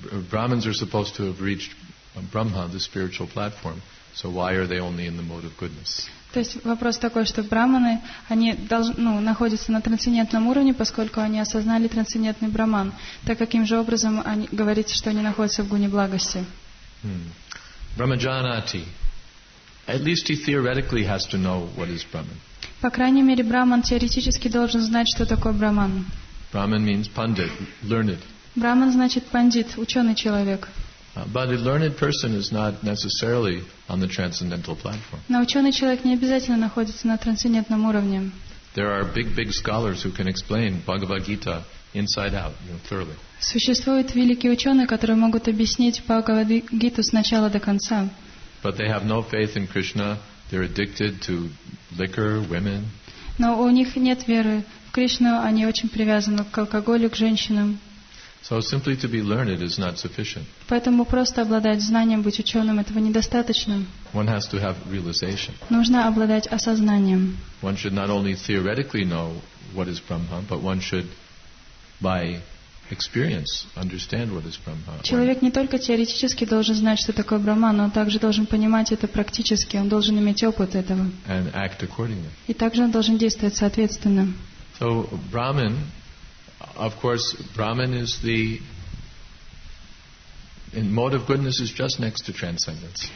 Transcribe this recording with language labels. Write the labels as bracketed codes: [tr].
[en] Brahmins are supposed to have reached Brahma, the spiritual platform. So why are they only in the mode of goodness? [ru] То есть вопрос такой, что браманы они находятся на трансцендентном уровне, поскольку они осознали трансцендентный браман. Так каким же образом они говорится, что они находятся в гуне благости? [sa] Brahmajanati. [en] At least he theoretically has to know what is Brahman. [ru] По крайней мере, браман теоретически должен знать, что такое браман. [en] Brahman means pundit, learned. [ru] Браман значит пандит, ученый человек. [en] But a learned person is not necessarily on the transcendental platform. [ru] Но ученый человек не обязательно находится на трансцендентном уровне. [en] There are big scholars who can explain Bhagavad Gita inside out, thoroughly. [ru] Существуют великие ученые, которые могут объяснить Бхагавад Гиту с начала до конца. [en] But they have no faith in Krishna. They're addicted to liquor, women. [ru] Но у них нет веры в Кришну. Они очень привязаны к алкоголю, к женщинам. [en] So simply to be learned is not sufficient. [ru] Поэтому просто обладать знанием, быть ученым, этого недостаточно. [en] One has to have realization. [ru] Нужно обладать осознанием. [en] One should not only theoretically know what is Brahma, but one should, by experience, understand what is Brahma. [ru] Человек не только теоретически должен знать, что такое Брахман, но он также должен понимать это практически. Он должен иметь опыт этого. [en] And act accordingly. [ru] И также он должен действовать соответственно. [en] So Brahman. Of course, Brahman is the mode of goodness is just next to transcendence.